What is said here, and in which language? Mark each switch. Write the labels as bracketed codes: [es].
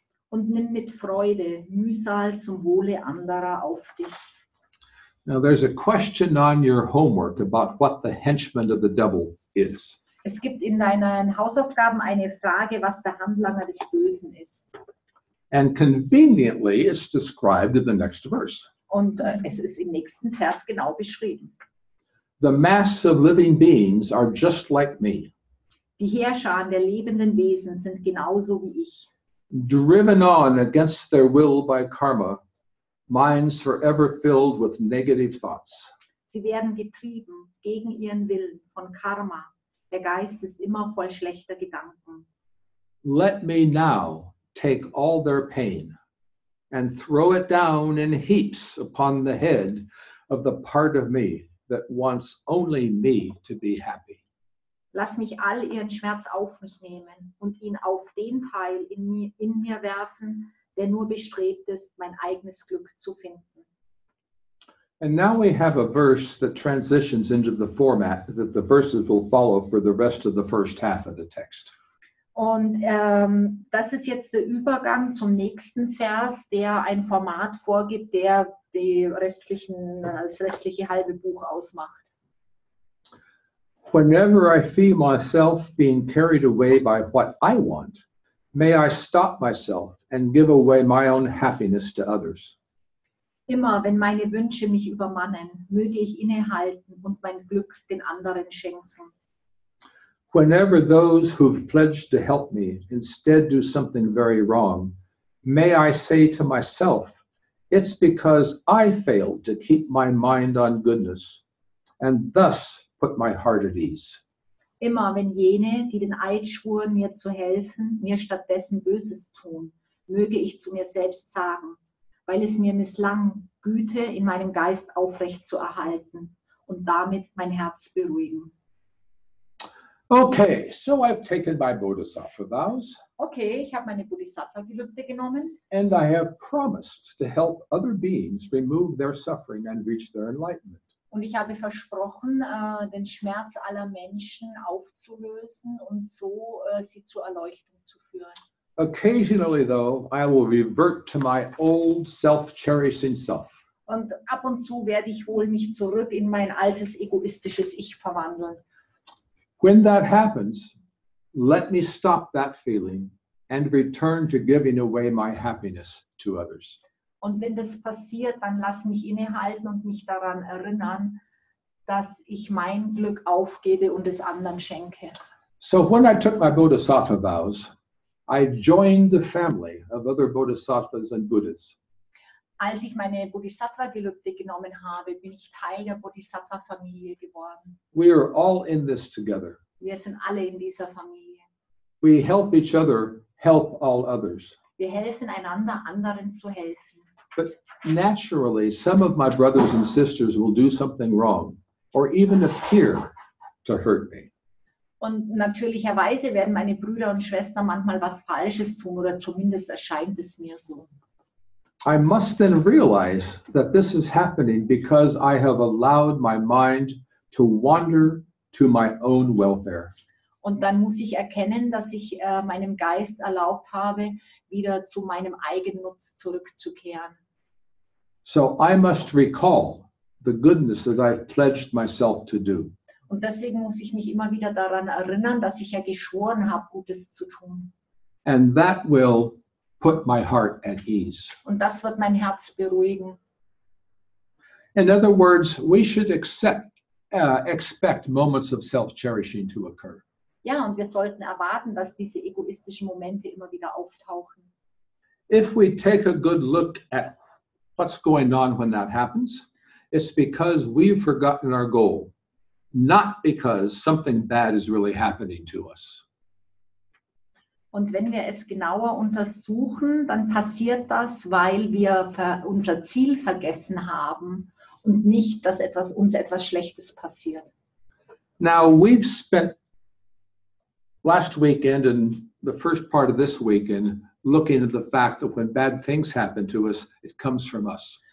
[de] Und nimm mit Freude Mühsal zum Wohle anderer auf dich. [en] Now there's a question on your homework about what the henchman of the devil is. [de] Es gibt in deinen Hausaufgaben eine Frage, was der Handlanger des Bösen ist. [en] And conveniently it's described in the next verse. [de] Und es ist im nächsten Vers genau beschrieben. [en] The mass of living beings are just like me. [de] Die Heerscharen der lebenden Wesen sind genauso wie ich. [en] Driven on against their will by karma, minds forever filled with negative thoughts. [de] Sie werden getrieben gegen ihren Willen von Karma. Der Geist ist immer voll schlechter Gedanken. [en] Let me now take all their pain and throw it down in heaps upon the head of the part of me that wants only me to be happy. [de] Lass mich all ihren Schmerz auf mich nehmen und ihn auf den Teil in mir werfen, der nur bestrebt ist, mein eigenes Glück zu finden. [en] And now we have a verse that transitions into the format that the verses will follow for the rest of the first half of the text. [de] Und das ist jetzt der Übergang zum nächsten Vers, der ein Format vorgibt, der das restliche halbe Buch ausmacht. [en] Whenever I feel myself being carried away by what I want, may I stop myself and give away my own happiness to others. [de] Immer wenn meine Wünsche mich übermannen, möge ich innehalten und mein Glück den anderen schenken. [en] Whenever those who've pledged to help me instead do something very wrong, may I say to myself, it's because I failed to keep my mind on goodness and thus put my heart at ease. [de] Immer wenn jene, die den Eid schwuren, mir zu helfen, mir stattdessen Böses tun, möge ich zu mir selbst sagen, weil es mir misslang, Güte in meinem Geist aufrecht zu erhalten und damit mein Herz beruhigen. [en] Okay, so I've taken my Bodhisattva vows. [de] Okay, ich habe meine Bodhisattva-Gelübde genommen. [en] And I have promised to help other beings remove their suffering and reach their enlightenment. [de] Und ich habe versprochen, den Schmerz aller Menschen aufzulösen und so sie zur Erleuchtung zu führen. [en] Occasionally though, I will revert to my old self-cherishing self. [de] Und ab und zu werde ich wohl mich zurück in mein altes egoistisches Ich verwandeln. [en] When that happens, let me stop that feeling and return to giving away my happiness to others. [de] Und wenn das passiert, dann lass mich innehalten und mich daran erinnern, dass ich mein Glück aufgebe und es anderen schenke. [en] So when I took my Bodhisattva vows, I joined the family of other Bodhisattvas and Buddhas. [de] Als ich meine Bodhisattva-Gelübde genommen habe, bin ich Teil der Bodhisattva-Familie geworden. [en] We are all in this together. [de] Wir sind alle in dieser Familie. [en] We help each other help all others. [de] Wir helfen einander, anderen zu helfen. [en] But naturally, some of my brothers and sisters will do something wrong or even appear to hurt me. [de] Und natürlicherweise werden meine Brüder und Schwestern manchmal was Falsches tun oder zumindest erscheint es mir so. [en] I must then realize that this is happening because I have allowed my mind to wander to my own welfare. [de] Und dann muss ich erkennen, dass ich meinem Geist erlaubt habe, wieder zu meinem Eigennutz zurückzukehren. [en] So I must recall the goodness that I've pledged myself to do. [de] Und deswegen muss ich mich immer wieder daran erinnern, dass ich ja geschworen habe, Gutes zu tun. [en] And that will put my heart at ease. [de] Und das wird mein Herz beruhigen. [en] In other words, we should expect moments of self-cherishing to occur. [de] Ja, und wir sollten erwarten, dass diese egoistischen Momente immer wieder auftauchen. [en] If we take a good look at what's going on when that happens, it's because we've forgotten our goal, not because something bad is really happening to us. [de] Und wenn wir es genauer untersuchen, dann passiert das, weil wir unser Ziel vergessen haben und nicht, dass uns etwas Schlechtes passiert. [en] Now, we've spent last weekend and the first part of this weekend looking at the fact that when bad things happen to us, it comes from us.